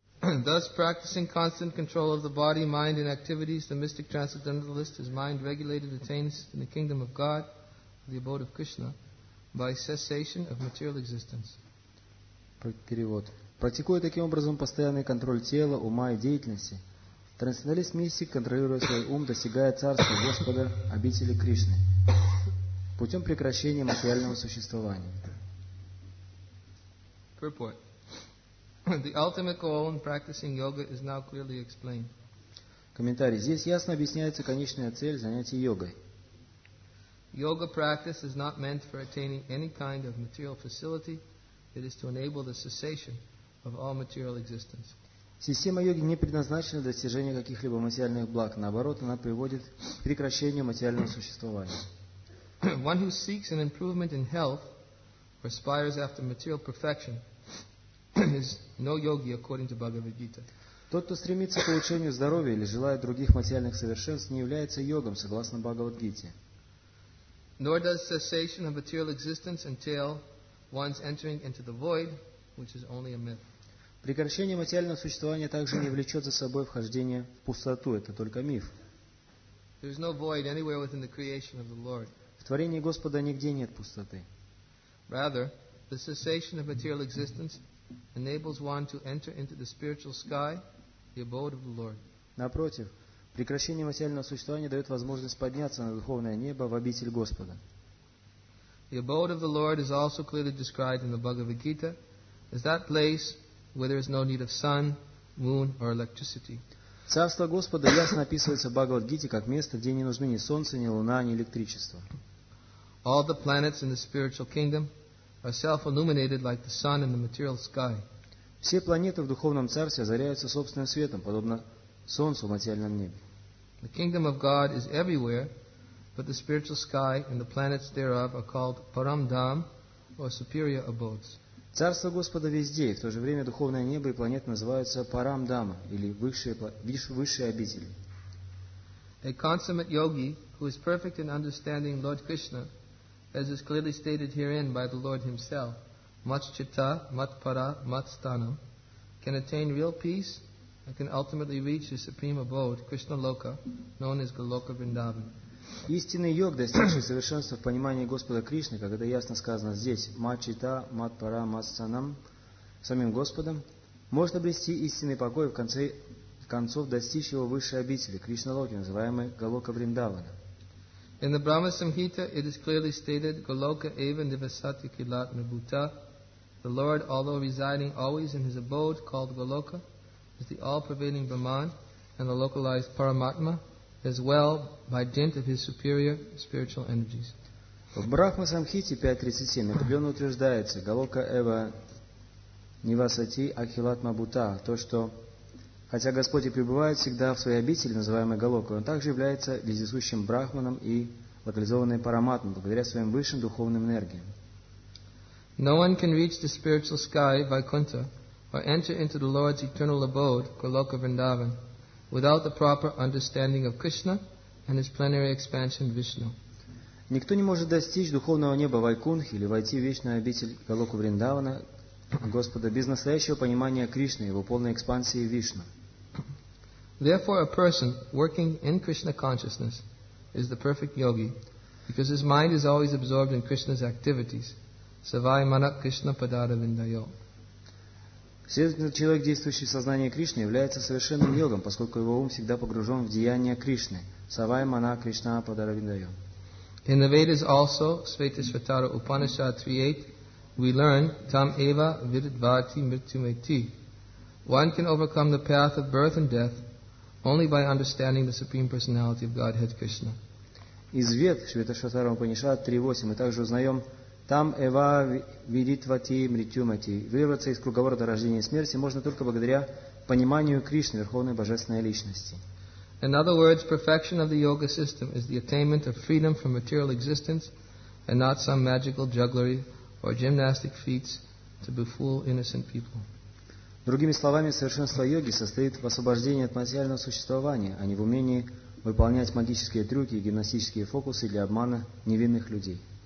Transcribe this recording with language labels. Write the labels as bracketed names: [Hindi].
[English] Thus, practicing constant control of the body, mind, and activities, the mystic transcendentalist, his mind regulated, attains in the kingdom of God, the abode of Krishna, by cessation of material existence. [Russian] Перевод. Практикуя таким образом постоянный контроль тела, ума и деятельности, трансценденталист-мистик, контролируя свой ум, достигает царства Господа, обители Кришны, путем прекращения материального существования. [English] Purport. The ultimate goal in practicing yoga is now clearly explained. [Russian] Комментарий. Здесь ясно объясняется конечная цель занятий йогой. [English] Yoga practice is not meant for attaining any kind of material facility. It is to enable the cessation of all material existence. [Russian] Система йоги не предназначена для достижения каких-либо материальных благ. Наоборот, она приводит к прекращению материального существования. [English] One who seeks an improvement in health or aspires after material perfection is no yogi according to Bhagavad Gita. [Russian] Тот, кто стремится к улучшению здоровья или желает других материальных совершенств, не является йогом, согласно Бхагавад-гите. [English] Nor does cessation of material existence entail one's entering into the void, which is only a myth. [Russian] Прекращение материального существования также не влечет за собой вхождение в пустоту, это только миф. [English] There is no void anywhere within the creation of the Lord. [Russian] В творении Господа нигде нет пустоты. [English] Rather, the cessation of material existence enables one to enter into the spiritual sky, the abode of the Lord. [Russian] Напротив, прекращение материального существования дает возможность подняться на духовное небо в обитель Господа. [English] The abode of the Lord is also clearly described in the Bhagavad Gita as that place where there is no need of sun, moon, or electricity. [Russian] Царство Господа ясно описывается в Бхагавад Гите как место, где не нужны ни солнце, ни луна, ни электричество. [English] All the planets in the spiritual kingdom are self-illuminated like the sun in the material sky. [Russian] Все планеты в духовном царстве озаряются собственным светом, подобно солнцу в материальном небе. [English] The kingdom of God is everywhere, but the spiritual sky and the planets thereof are called Paramdham, or superior abodes. [Russian] Царство Господа везде, и в то же время духовное небо и планеты называются Парамдама, или высшие обители. [English] A consummate yogi who is perfect in understanding Lord Krishna, as is clearly stated herein by the Lord Himself, [Sanskrit] mat chitta, mat para, mat sthanam, [English] can attain real peace and can ultimately reach his supreme abode, Krishna Loka, known as Goloka Vrindavan. [Russian] Истинный йог, достигший совершенства в понимании Господа Кришны, как это ясно сказано здесь, [Sanskrit] мачита, матпара, матсанам, [Russian] самим Господом, может обрести истинный покой и в конце концов достичь его высшей обители, Кришналоки, называемой Голока Вриндавана. [English] In the Brahma Samhita it is clearly stated, [Sanskrit] Goloka eva nivasati kilat nabhuta. [English] The Lord, although residing always in his abode called Goloka, is the all-pervading Brahman and the localized Paramatma, as well by dint of his superior spiritual energies. [Russian] В Брахма Самхите 5.37 определенно утверждается [Sanskrit] Галока Эва Нивасати Ахилатма Бута, [Russian] то, что хотя Господь и пребывает всегда в своей обители, называемой Галокой, Он также является вездесущим Брахманом и локализованным Параматмом благодаря своим высшим духовным энергиям. [English] No one can reach the spiritual sky Vaikuntha or enter into the Lord's eternal abode Goloka Vrindavan without the proper understanding of Krishna and his plenary expansion Vishnu. [Russian] Никто не может достичь духовного неба Вайкунхи или войти в вечную обитель Голоку Вриндавана Господа без настоящего понимания Кришны, его полной экспансии Вишну. [English] Therefore, a person working in Krishna consciousness is the perfect yogi, because his mind is always absorbed in Krishna's activities. [Sanskrit] Savai manak Krishna padara vindayo. [Russian] Следовательно, человек, действующий в сознании Кришны, является совершенным йогом, поскольку его ум всегда погружен в деяния Кришны. [Sanskrit] Савай мана Кришна падара виндайо. [English] In the Vedas also, Svetasvatara Upanishad 3.8, we learn, [Sanskrit] tam eva viridvati mrityumeti. [English] One can overcome the path of birth and death only by understanding the Supreme Personality of Godhead Krishna. [Russian] Из Вед, Шветашватара Упанишад 3.8, мы также узнаем, [Sanskrit] там эва виритвати мритюмати. [Russian] Вырваться из круговорота рождения и смерти можно только благодаря пониманию Кришны, Верховной Божественной Личности. [English] In other words, perfection of the yoga system is the attainment of freedom from material existence and not some magical jugglery or gymnastic feats to befool innocent people. [Russian] Другими словами, совершенство йоги состоит в освобождении от материального существования, а не в умении выполнять магические трюки и гимнастические фокусы для обмана невинных людей.